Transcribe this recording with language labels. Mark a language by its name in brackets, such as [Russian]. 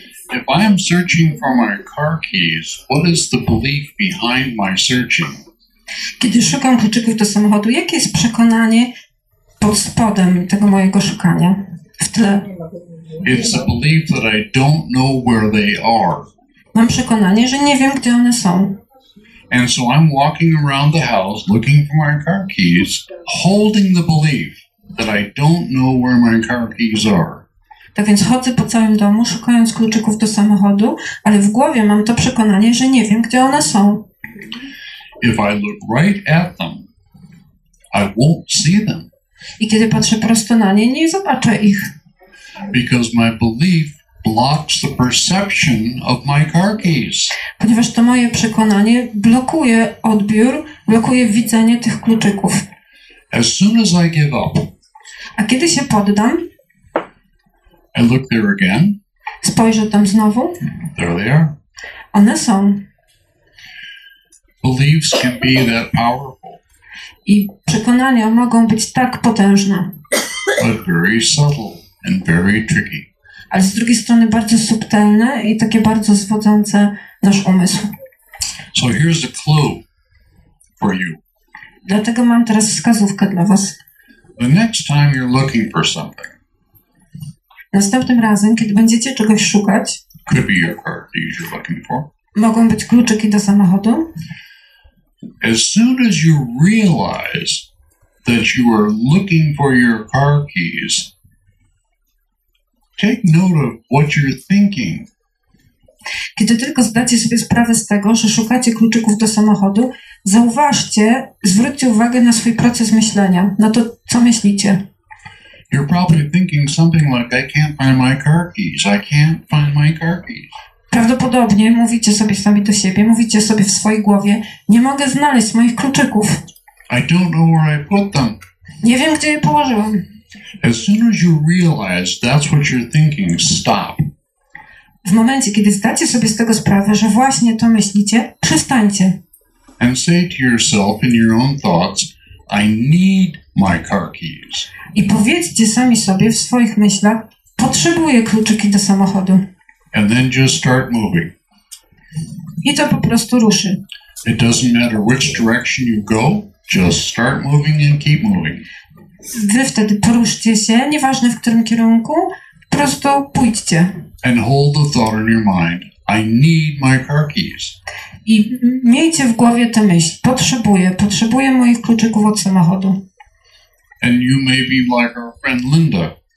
[English] If I am searching for my car keys, what is the belief behind my searching? [Polish] Kiedy szukam kluczyków do samochodu, jakie jest przekonanie pod spodem tego mojego szukania, w tle? [English] It's a belief that I don't know where they are. [Polish] mam przekonanie, że nie wiem, gdzie one są. [English] And so I'm walking around the house looking for my car keys, holding the belief that I don't know where my car keys are. [Polish] Tak więc chodzę po całym domu, szukając kluczyków do samochodu, ale w głowie mam to przekonanie, że nie wiem, gdzie one są. [English] If I look right at them, I won't see them. [Polish] I kiedy patrzę prosto na nie, nie zobaczę ich. [English] Because my belief blocks the perception of my car keys. [Polish] Ponieważ to moje przekonanie blokuje odbiór, blokuje widzenie tych kluczyków. [English] As soon as I give up, [Polish] a kiedy się poddam, [English] I look there again. [Polish] Spojrzę tam znowu. [English] There they are. [Polish] One są. [English] Beliefs can be that powerful. [Polish] I przekonania mogą być tak potężne. [English] But very subtle and very tricky. [Polish] Ale z drugiej strony bardzo subtelne i takie bardzo zwodzące nasz umysł. [English] So here's the clue for you. [Polish] Dlatego mam teraz wskazówkę dla was. [English] The next time you're looking for something. [Polish] Następnym razem, kiedy będziecie czegoś szukać, [English] could be your car keys you're looking for. [Polish] Mogą być kluczyki do samochodu. [English] As soon as you realize that you are looking for your car keys, take note of what you're thinking. [Polish] Kiedy tylko zdacie sobie sprawę z tego, że szukacie kluczyków do samochodu, zauważcie, zwróćcie uwagę na swój proces myślenia, na to, co myślicie. [English] You're probably thinking something like, I can't find my car keys, I can't find my car keys. [Polish] Prawdopodobnie mówicie sobie sami do siebie, mówicie sobie w swojej głowie, nie mogę znaleźć moich kluczyków. [English] I don't know where I put them. [Polish] Nie wiem, gdzie je położyłem. [English] As soon as you realize that's what you're thinking, stop. [Polish] W momencie, kiedy zdacie sobie z tego sprawę, że właśnie to myślicie, przestańcie. [English] And say to yourself in your own thoughts, I need my car keys. [Polish] I powiedzcie sami sobie w swoich myślach, potrzebuję kluczyki do samochodu. [English] And then just start moving. [Polish] I to po prostu ruszy. [English] It doesn't matter which direction you go, just start moving and keep moving. [Polish] Wy wtedy poruszcie się, nieważne w którym kierunku, po prostu pójdźcie. [English] And hold the thought in your mind, I need my car keys. [Polish] I miejcie w głowie tę myśl, potrzebuję moich kluczyków od samochodu. [English] And you may be like our friend Linda.